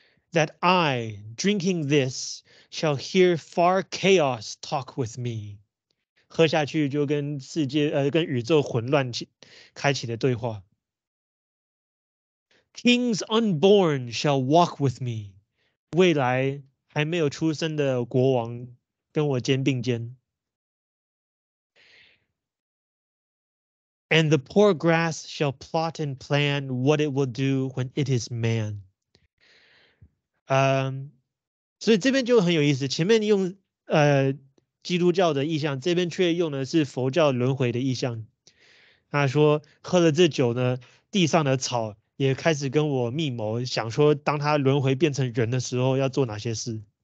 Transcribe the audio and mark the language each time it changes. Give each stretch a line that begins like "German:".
English: That I drinking this shall hear far chaos talk with me，
Chinese: 喝下去就跟世界跟宇宙混乱开启的对话。
English: Kings unborn shall walk with me。
Chinese: 未来还没有出生的国王跟我肩并肩。
English: And the poor grass shall plot and plan what it will do when it is man.
Chinese: 所以这边就很有意思，前面用基督教的意象，这边却用的是佛教轮回的意象。他说喝了这酒呢，地上的草也开始跟我密谋，想说当他轮回变成人的时候要做哪些事。